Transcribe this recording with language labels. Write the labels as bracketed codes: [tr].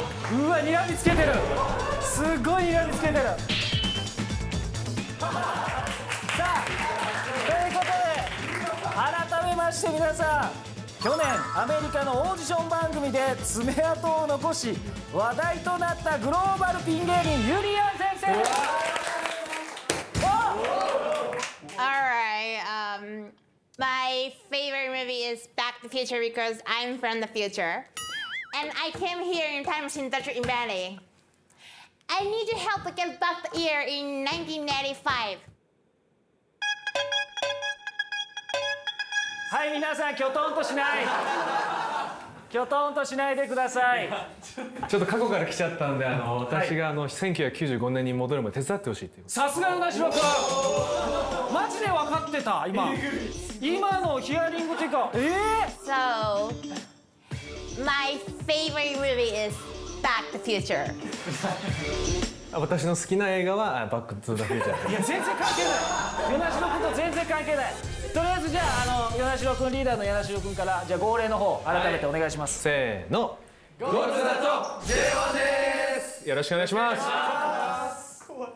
[ja] うわにらみつけてる、すごいにらみつけてる。改めまして皆さん、去年アメリカのオーディション番組で爪痕を残し話題となったグローバルピン芸人ユリアン先生。 [en] おお Alright, my favorite movie is Back to the Future because I'm from the future. And I came here in Time Machine Dutch in Bali. I need your help to get back the year in 1985. [ja] はい、皆さんキョトンとしない、キョトンとしないでください。ちょっと過去から来ちゃったんで、私があの1995年に戻るまで手伝ってほしいっていう。さすがの那城くん、マジで分かってた。今のヒアリングっていうか、 [en] So my favorite movie is Back to the Future. [ja] 私の好きな映画は Back to the Future。いや全然関係ない、那城くんと全然関係ない。とりあえずじゃあ、与那城くん、リーダーの与那城くんからじゃあ号令の方改めてお願いします。はい、せーの、ゴーツだと JO1 です。よろしくお願いします。